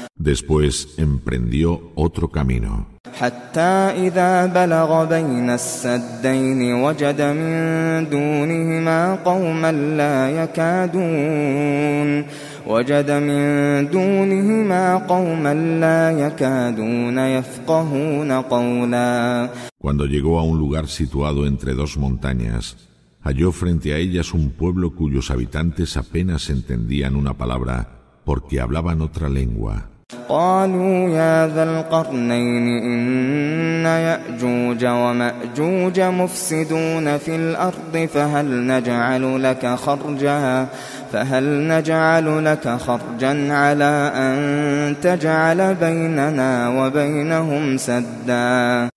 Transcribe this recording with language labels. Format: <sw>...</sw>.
<es>Después emprendió otro camino.</es> <ar>حتى إذا بلغ بين السدين وجد من دونهما قوما لا يكادون يفقهون قولا.</ar> <es>Cuando llegó a un lugar situado entre dos montañas, halló frente a ellas un pueblo cuyos habitantes apenas entendían una palabra porque hablaban otra lengua.</es> <ar>قالوا يا ذا القرنين إن يأجوج ومأجوج مفسدون في الأرض فهل نجعل لك خرجا على أن تجعل بيننا وبينهم سدا.</ar>